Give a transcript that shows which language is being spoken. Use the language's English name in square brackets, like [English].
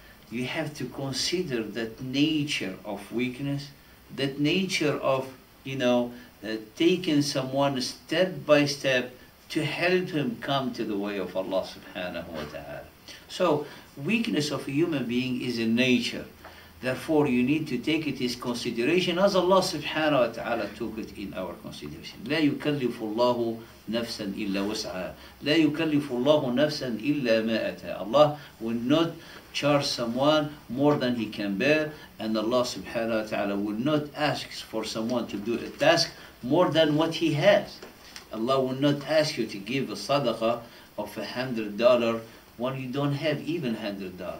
[English] You have to consider that nature of weakness, that nature of, you know, taking someone step by step to help him come to the way of Allah subhanahu wa ta'ala. So weakness of a human being is a nature. Therefore, you need to take it as consideration as Allah subhanahu wa ta'ala took it in our consideration. [Arabic] لا يكلف الله نفسا إلا وسعها. لا يكلف الله نفسا إلا ما أتاه. [English] Allah will not charge someone more than he can bear, and Allah subhanahu wa ta'ala will not ask for someone to do a task more than what he has. Allah will not ask you to give a sadaqah of $100 when you don't have even $100.